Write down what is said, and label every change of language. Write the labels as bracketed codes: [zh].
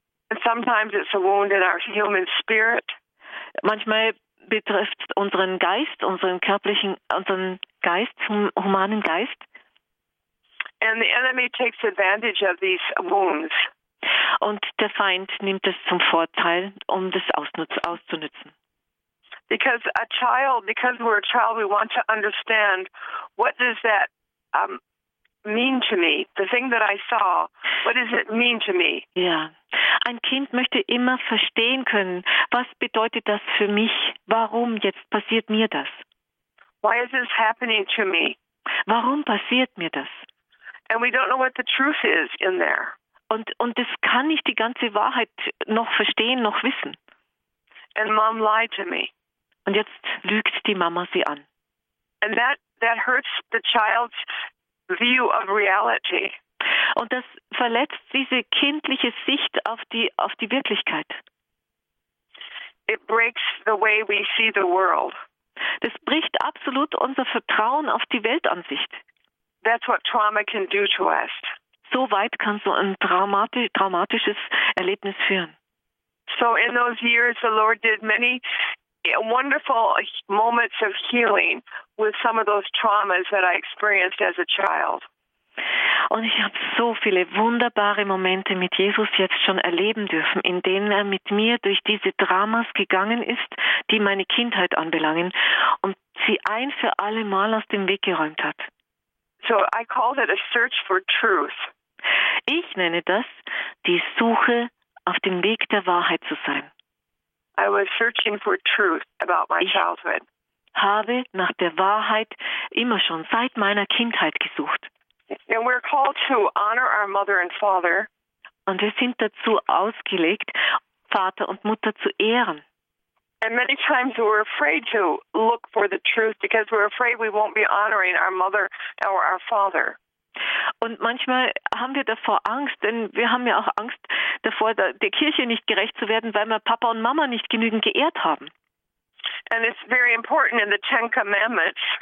[en] And sometimes it's a wound in our human spirit. [de] Manchmal betrifft unseren Geist, unseren körperlichen, unseren Geist, humanen Geist. [en] And the enemy takes advantage of these wounds. [de] Und der Feind nimmt es zum Vorteil, um das auszunutzen. [en] Because a child, because we're a child, we want to understand, what does that mean to me? The thing that I saw, what does it mean to me? [de] Ja. Ein Kind möchte immer verstehen können, was bedeutet das für mich? Warum jetzt passiert mir das? [en] Why is this happening to me? [de] Warum passiert mir das? [en] And we don't know what the truth is in there. [de] Und das kann ich die ganze Wahrheit noch verstehen, noch wissen. [en] And Mom lied to me. [de] Und jetzt lügt die Mama sie an. [en] And that hurts the child's view of reality. [de] Und das verletzt diese kindliche Sicht auf die Wirklichkeit. [en] It breaks the way we see the world. [de] Das bricht absolut unser Vertrauen auf die Weltansicht. [en] That's what trauma can do to us. [de] So weit kann so ein traumatisches Erlebnis führen. [en] So in those years the Lord did many wonderful moments of healing with some of those traumas that I experienced as a child. [de] Und ich habe so viele wunderbare Momente mit Jesus jetzt schon erleben dürfen, in denen er mit mir durch diese Dramas gegangen ist, die meine Kindheit anbelangen und sie ein für alle Mal aus dem Weg geräumt hat. [en] So I called it a search for truth. [de] Ich nenne das die Suche auf dem Weg der Wahrheit zu sein. [en] I was searching for truth about my childhood. [de] Ich habe nach der Wahrheit immer schon seit meiner Kindheit gesucht. [en] And we're called to honor our mother and father. [de] Und wir sind dazu ausgelegt, Vater und Mutter zu ehren. [en] And many times we're afraid to look for the truth because we're afraid we won't be honoring our mother or our father. [de] Und manchmal haben wir davor Angst, denn wir haben ja auch Angst davor, der Kirche nicht gerecht zu werden, weil wir Papa und Mama nicht genügend geehrt haben. [en] And it's very important in the Ten Commandments.